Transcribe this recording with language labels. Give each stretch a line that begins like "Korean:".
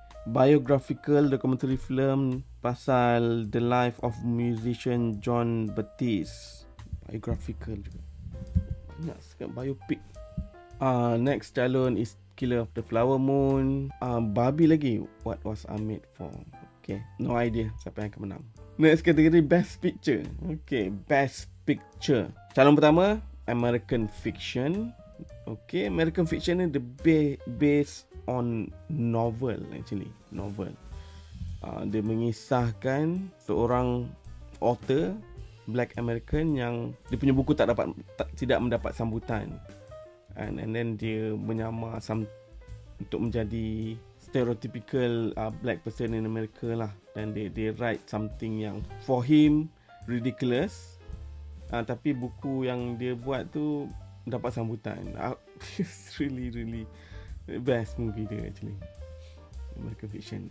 English: Biographical documentary film
Malay: pasal
English: the life of musician John Batiste. Biographical juga.
Malay: Banyak sangat biopic. Next calon is Killer of the Flower Moon. Barbie lagi, What Was I Made For. Okay,
English: no idea
Malay: siapa yang akan menang.
English: Next kategori, Best Picture. Okay, Best Picture.
Malay: Calon pertama, American Fiction. Okay, American Fiction ni
English: the based on novel actually.
Malay: Novel. Dia mengisahkan seorang author Black American yang dia punya buku tidak mendapat sambutan. And then dia menyamar untuk menjadi
English: stereotypical Black person in America
Malay: lah. Dan dia
English: write something
Malay: yang
English: for him ridiculous.
Malay: Tapi buku yang dia buat tu dapat sambutan.
English: It's really really best movie dia actually, American Fiction.